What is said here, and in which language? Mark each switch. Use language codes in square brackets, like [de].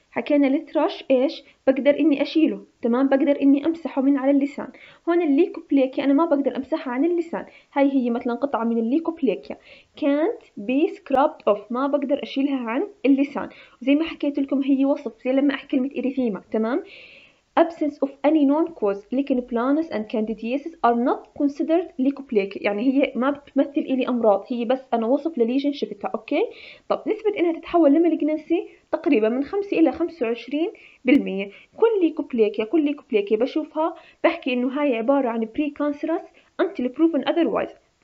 [ar] حكينا الثرش ايش؟ بقدر اني اشيله، تمام، بقدر اني امسحه من على اللسان. هون الليكوبليكيا انا ما بقدر امسحها عن اللسان، هاي هي مثلا قطعه من الليكوبليكيا كانت بي سكرابت اوف، ما بقدر اشيلها عن اللسان. وزي ما حكيت لكم هي وصف زي لما احكي كلمه اريثيما، تمام. [en] Absence of any known cause, lichen planus and candidiasis are not considered leukoplakia. [ar] يعني هي ما بتمثل إلي أمراض، هي بس أنا وصف لليجن شفتها، أوكي؟ طب نسبة إنها تتحول لمالجنسي تقريبا من 5 إلى 25%. كل ليكوبليكيا بشوفها بحكي إنه هاي عبارة عن [en] precancerous until proven otherwise.